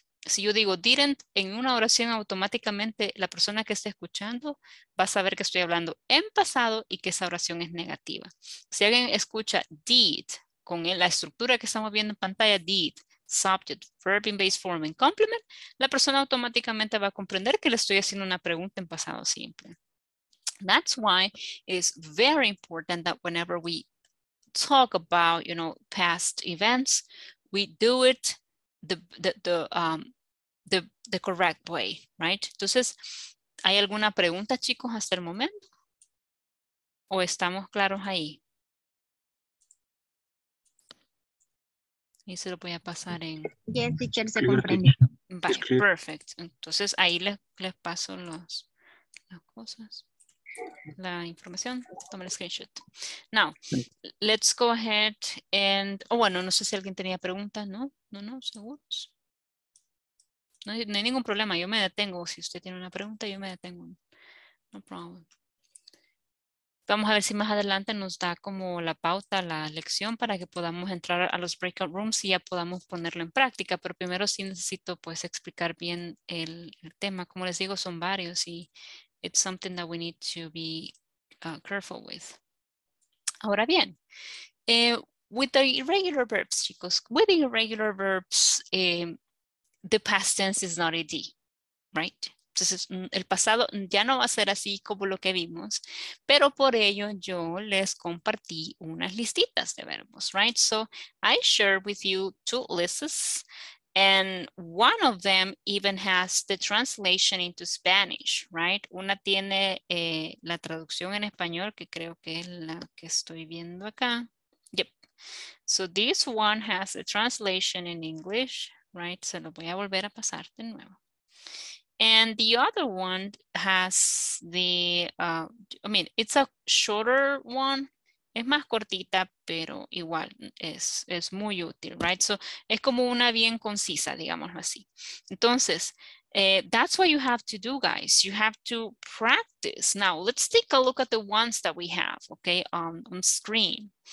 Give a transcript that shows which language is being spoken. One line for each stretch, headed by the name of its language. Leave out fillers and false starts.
Spanish: Si yo digo didn't en una oración, automáticamente la persona que esté escuchando va a saber que estoy hablando en pasado y que esa oración es negativa. Si alguien escucha did con la estructura que estamos viendo en pantalla, did,
English: subject, verb in base form and complement,
Spanish: la persona automáticamente va a comprender que le estoy haciendo una pregunta en pasado simple.
English: That's why it's very important that whenever we talk about, you know, past events, we do it the correct way, right?
Spanish: Entonces, ¿hay alguna pregunta, chicos, hasta el momento? ¿O estamos claros ahí? Y se lo voy a pasar en...
English: Yes, teacher,
Spanish: se comprende. Vale, escribe. Perfect. Entonces ahí les paso las cosas. La información. Toma el screenshot.
English: Now, let's go ahead and...
Spanish: Oh, bueno, no sé si alguien tenía preguntas, ¿no? No, seguros. No hay ningún problema. Yo me detengo. Si usted tiene una pregunta, yo me detengo.
English: No problem.
Spanish: Vamos a ver si más adelante nos da como la pauta, la lección, para que podamos entrar a los breakout rooms y ya podamos ponerlo en práctica. Pero primero sí necesito pues explicar bien el tema. Como les digo, son varios y
English: it's something that we need to be careful with.
Spanish: Ahora bien,
English: with the irregular verbs, chicos, with the irregular verbs, the past tense is not ed, right?
Spanish: Entonces, el pasado ya no va a ser así como lo que vimos, pero por ello yo les compartí unas listitas de verbos, right?
English: So, I shared with you two lists, and one of them even has the translation into Spanish, right?
Spanish: Una tiene la traducción en español, que creo que es la que estoy viendo acá.
English: Yep. So, this one has a translation in English, right?
Spanish: Se lo voy a volver a pasar de nuevo.
English: And the other one has the, it's a shorter one.
Spanish: Es más cortita, pero igual es muy útil, right? So, es como una bien concisa, digámoslo así.
English: Entonces, that's what you have to do, guys. You have to practice. Now, let's take a look at the ones that we have, okay, on screen.